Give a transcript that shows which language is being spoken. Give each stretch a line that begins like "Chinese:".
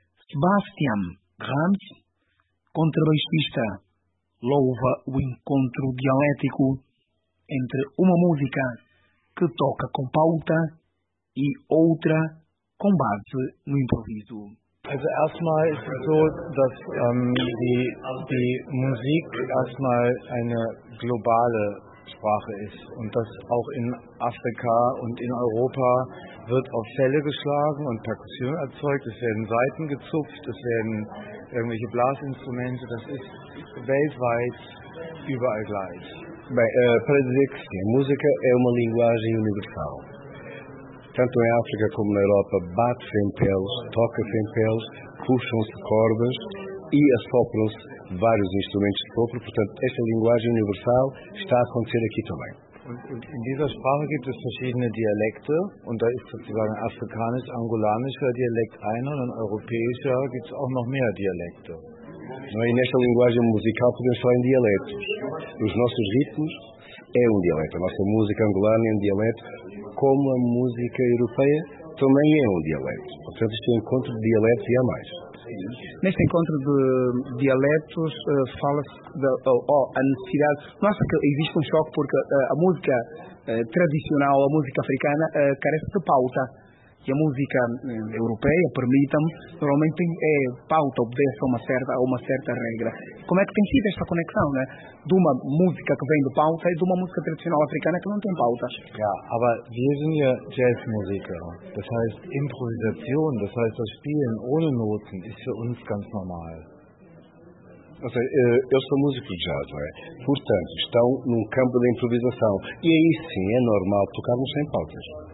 Portuguese: Sebastian Grams, contrabaixista, louva o encontro dialético entre uma música que toca com pauta e outra com base no improviso.
German: Also erstmal ist es so, dass die Musik erstmal eine globale Sprache ist und dass auch in Afrika und in Europa wird auf Felle geschlagen und Perkussion erzeugt, es werden Saiten gezupft, es werden irgendwelche Blasinstrumente, das ist weltweit überall gleich.
Portuguese: Para dizer que sim, a música é uma linguagem universal. Tanto em África como na Europa, bate-se em peles, toca-se em peles, puxam-se cordas e assopram-se vários instrumentos de sopro. Portanto, esta linguagem universal está a acontecer aqui também.
German: In dieser Sprache gibt es verschiedene Dialekte und da ist sozusagen afrikanisch-angolanischer Dialekt einer und europäischer gibt es auch noch mehr Dialekte.
Portuguese: E nesta linguagem musical podemos falar em dialetos. Os nossos ritmos é dialeto. A nossa música angolana é dialeto, como a música europeia também é dialeto. Portanto, este encontro de dialetos e há mais. Neste encontro de dialetos fala-se da a necessidade. Nossa, que existe um choque porque a música tradicional, a música africana, carece de pauta. E a música europeia, permitam-me, normalmente é pauta, obedece a uma certa regra. Como é que tem sido esta conexão, né? De uma música que vem de pauta e de uma música tradicional africana que não tem pauta?
German: Ja, aber wir sind ja Jazzmusiker. Das heißt, Improvisation, das heißt, das Spielen ohne Noten ist für uns ganz normal.
Portuguese: Ou seja, eu sou músico de jazz, não é? Portanto, estão num campo de improvisação. E aí sim, é normal tocarmos sem pautas.